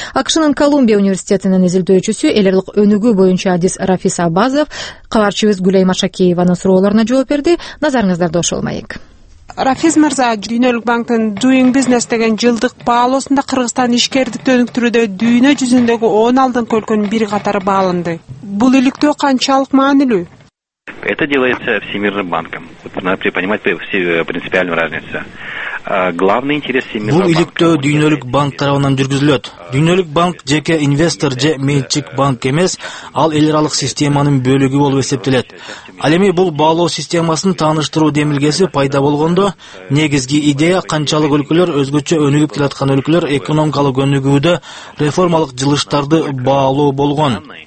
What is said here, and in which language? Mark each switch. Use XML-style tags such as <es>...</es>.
<ky>АКШнын Колумбия университетинин изилдөөчүсү, элерлик өнүгүү боюнча Адис Рафис Абазов, кабарчыбыз Гүлей Машакеевнин суроолоруна жооп берди. Назарыңыздарда ошол маек. Рафис Мырза, Дүйнөлүк банктын Doing Business деген жылдык баалоосунда Кыргызстан ишкердикти өнүктүрүүдө дүйнө жүзүндөгү 16 өлкөнүн бири катары баалынды. Бул иликтөө канчалык маанилүү?</ky> <ru>Это делается Всемирным банком. Надо понимать принципиальную разницу.</ru> <ky>Бул иликтөө дүйнөлүк банк тарабынан жүргүзүлөт. Дүйнөлүк банк жеке инвестор же менчик банк эмес, ал эл аралык системанын бөлүгү болуп эсептелет. Ал эми бул баалоо системасын тааныштыруу демилгеси пайда болгондо негизги идея канчалык өлкөлөр өзгөчө өнүгүп келаткан өлкөлөр экономикалык өнүгүүдө реформалык жылыштарды баалоо болгон.</ky>